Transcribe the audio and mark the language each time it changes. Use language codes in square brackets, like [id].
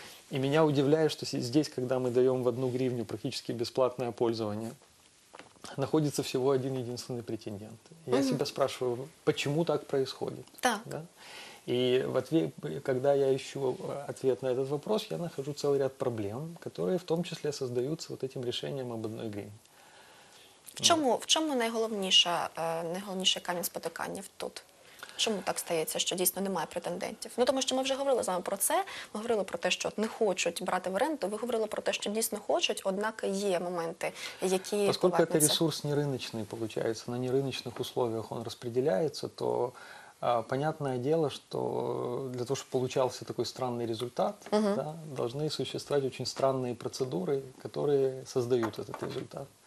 [ru] И меня удивляет, что здесь, когда мы даем в 1 гривню практически бесплатное пользование, находится всего один единственный претендент. Я себя спрашиваю, почему так происходит? Так. Да? И в ответ, когда я ищу ответ на этот вопрос, я нахожу целый ряд проблем, которые в том числе создаются вот этим решением об 1 гривне. [uk] В чому найголовніше камінь спотикання тут? Чому так стається, що дійсно немає претендентів? Ну, тому що ми вже говорили з вами про це, ми говорили про те, що не хочуть брати в оренду, ви говорили про те, що дійсно хочуть, однак є моменти, які... Оскільки це ресурс неринничний, виходить, на неринничних условиях він розподіляється, [ru] то понятное дело, что для того, чтобы получался такой странный результат, да, должны существовать очень странные процедуры, которые создают этот результат.